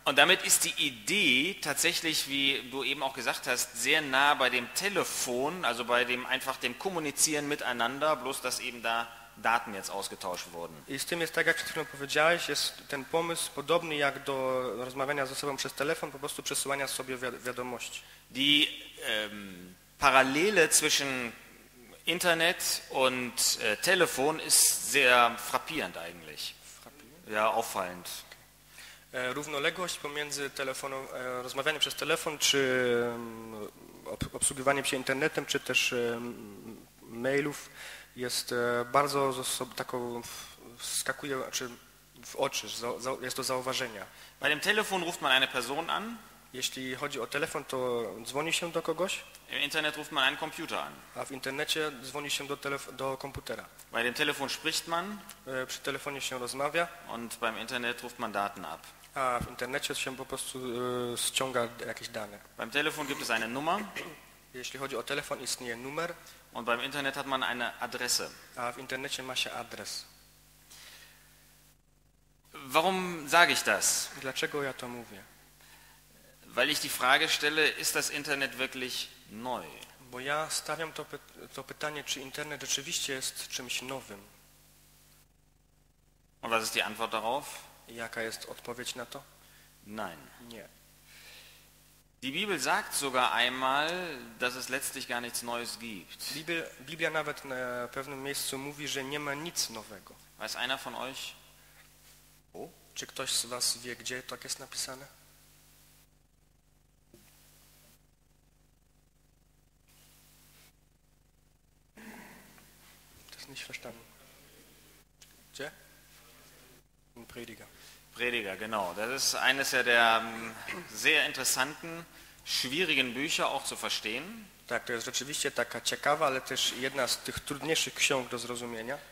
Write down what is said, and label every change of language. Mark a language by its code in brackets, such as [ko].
[de] Und damit ist die Idee tatsächlich, wie du eben auch gesagt hast, sehr nah bei dem Telefon, also bei dem einfach dem Kommunizieren miteinander, bloß dass eben da Daten jetzt ausgetauscht wurden. [pl] I z tym jest tak, jak przed chwilą powiedziałeś, jest ten pomysł podobny jak do rozmawiania ze sobą przez telefon, po prostu przesyłania sobie wiadomości. [de] Die Parallele zwischen Internet und Telefon ist sehr frappierend eigentlich. Frappierend? Ja, auffallend. [pl] Równoległość pomiędzy telefonem, rozmawianiem przez telefon, czy obsługiwaniem się internetem, czy też mailów jest bardzo taką, wskakuje czy w oczy, jest do zauważenia. [de] Bei dem Telefon ruft man eine Person an. [pl] Jeśli chodzi o telefon, to dzwoni się do kogoś. [de] Im Internet ruft man einen Computer an. [pl] A w internecie dzwoni się do komputera. [de] Bei dem Telefon spricht man. [pl] Przy telefonie się rozmawia. [de] Und beim Internet ruft man Daten ab. [pl] A w internecie się po prostu ściąga jakieś dane. [de] Beim Telefon gibt es eine Nummer. [pl] Jeśli chodzi o telefon, istnieje numer. [de] Und beim Internet hat man eine Adresse. [pl] A w internecie ma się adres. [de] Warum sage ich das? [pl] Dlaczego ja to mówię? [de] Weil ich die Frage stelle, ist das Internet wirklich neu? [pl] Bo ja stawiam to pytanie, czy Internet rzeczywiście jest czymś nowym. [de] Und was ist die Antwort darauf? [pl] Jaka jest odpowiedź na to? [de] Nein. [pl] Nie. [de] Die Bibel sagt sogar einmal, dass es letztlich gar nichts Neues gibt. [pl] Biblia nawet na pewnym miejscu mówi, że nie ma nic nowego. [de] Weiß einer von euch? O? [pl] Czy ktoś z was wie, gdzie tak jest napisane? [de] Nicht verstanden. Tja? Ein Prediger. Prediger, genau. Das ist eines der sehr interessanten, schwierigen Bücher auch zu verstehen. [pl] Tak, to jest rzeczywiście taka ciekawa, ale też jedna z tych trudniejszych ksiąg do zrozumienia.